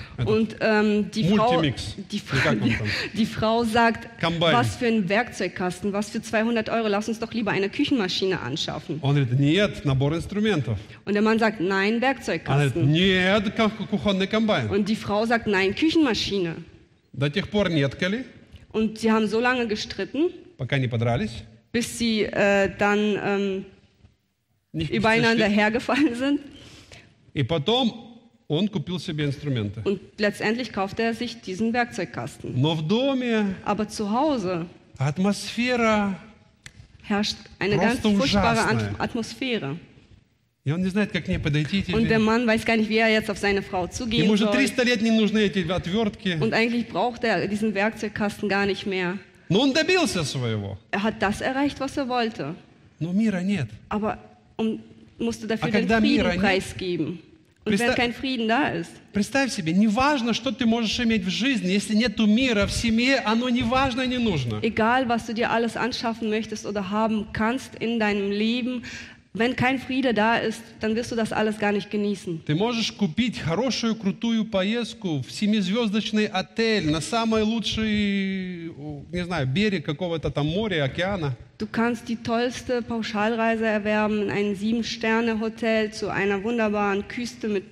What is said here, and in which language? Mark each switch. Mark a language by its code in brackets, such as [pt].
[de] Und die Frau sagt, Combine. Was für ein Werkzeugkasten, was für 200 Euro, lass uns doch lieber eine Küchenmaschine anschaffen. [ru] Он говорит, нет, набор инструментов. [de] Und der Mann sagt, nein, Werkzeugkasten. [ru] Говорит, нет, кухонный комбайн. [de] Und die Frau sagt, nein, Küchenmaschine. [ru] До тех пор неткали. [de] Und sie haben so lange gestritten, [ru] пока не подрались, [de] bis sie dann übereinander hergefallen sind. [ru] И потом он купил себе инструменты. [de] Und letztendlich kaufte er sich diesen Werkzeugkasten. [ru] Но в доме [de] Aber zu Hause [ru] атмосфера [de] herrscht eine ganz furchtbare [ru] ужасная. Атмосфера. И он не знает, как к ней подойти. [de] Und der Mann weiß gar nicht, wie jetzt auf seine Frau zugehen [ru] soll. Ему уже 300 лет не нужны эти отвертки. [de] Und eigentlich braucht er diesen Werkzeugkasten gar nicht mehr. [ru] Но он добился своего. [de] Er hat das erreicht, was er wollte. [ru] Но мира нет. [de] Aber musste dafür den Frieden preisgeben. Und wenn kein Frieden da ist. [ru] Представь себе, неважно, что ты можешь иметь в жизни, если нету мира в семье, оно неважно и не нужно. [de] Egal, was du dir alles anschaffen möchtest oder haben kannst in deinem Leben, wenn kein Friede da ist, dann wirst du das alles gar nicht genießen. [ru] Ты можешь купить хорошую, крутую поездку в семизвездочный отель на самый лучший, не знаю, берег какого-то там моря, океана. [de] Du kannst die tollste Pauschalreise erwerben in ein 7-Sterne-Hotel zu einer wunderbaren Küste mit